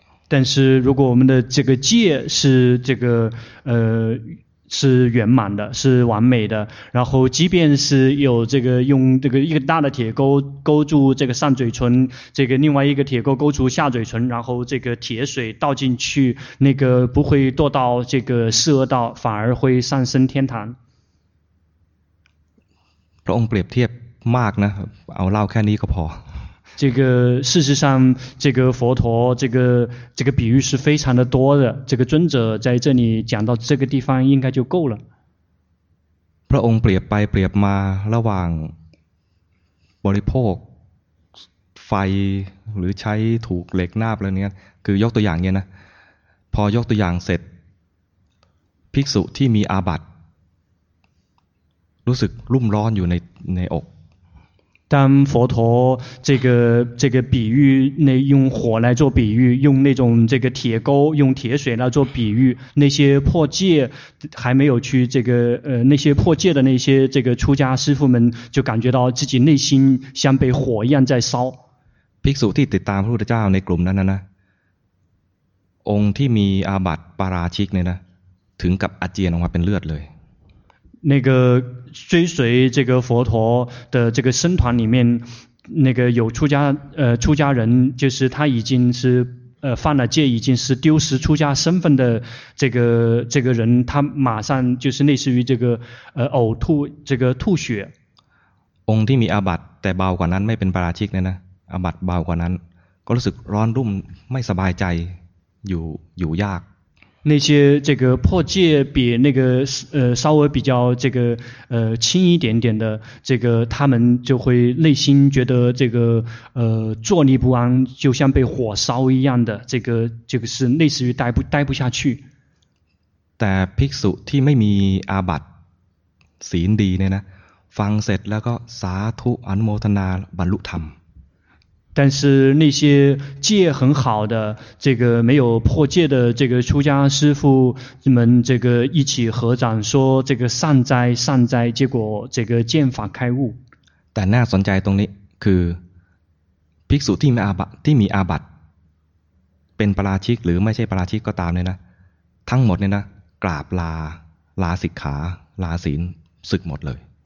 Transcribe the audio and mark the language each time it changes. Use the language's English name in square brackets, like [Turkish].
[Chinese] 但是如果我们的这个戒是这个是圆满的是完美的然后即便是有这个用这个一个大的铁钩勾住这个上嘴唇这个另外一个铁钩勾住下嘴唇然后这个铁水倒进去那个不会堕到这个四恶道反而会上升天堂 [Thai] พระองค์เปรียบเทียบมากนะเอาเล่าแค่นี้ก็พอ [Chinese] 这个事实上，这个佛陀这个比喻是非常的多的。这个尊者在这里讲到这个地方，应该就够了。 [Thai] พระองค์เปรียบไปเปรียบมาระหว่างบริโภคไฟหรือใช้ถูกเหล็กนาบแล้วเนี่ยคือยกตัวอย่างเนี่ยนะพอยกตัวอย่างเสร็จภิกษุที่มีอาบัติรู้สึกรุ่มร้อนอยู่ในอก [Chinese] 当佛陀这个比喻，那用火来做比喻，用那种这个铁钩，用铁水来做比喻，那些破戒还没有去这个那些破戒的那些这个出家师父们，就感觉到自己内心像被火一样在烧。 [Thai] ภิกษุที่ติดตามพระพุทธเจ้าในกลุ่มนั้นนะ องค์ที่มีอาบัติปาราชิกเนี่ยนะ ถึงกับอาเจียนออกมาเป็นเลือดเลย [Chinese] 那个追随这个佛陀的这个僧团里面，那个有出家人，就是他已经是犯了戒，已经是丢失出家身份的这个人，他马上就是类似于这个呕吐这个吐血。 [Thai] องค์ที่มีอาบัติแต่เบากว่านั้นไม่เป็นปาราชิกเนี่ยนะอาบัติเบากว่านั้นก็รู้สึกร้อนรุ่มไม่สบายใจ 有ยาก [Chinese] 那些这个破戒比那个稍微比较这个轻一点点的这个他们就会内心觉得这个坐立不安就像被火烧一样的这个是类似于待不下去 [Thai] แต่ภิกษุที่ไม่มีอาบัติศีลดีเนี่ยนะฟังเสร็จแล้วก็สาธุอนุโมทนาบรรลุธรรม [Chinese] 但是那些戒很好的这个没有破戒的这个出家师父们这个一起合掌说这个善哉善哉结果这个见法开悟 [Thai] แต่น่าสนใจตรงนี้คือภิกษุที่มีอาบัติที่มีอาบัติเป็นปราชิกหรือไม่ใช่ปราชิกก็ตามเนี่ยนะทั้งหมดเนี่ยนะกราบลาสิกขาลาศีลสึกหมดเลย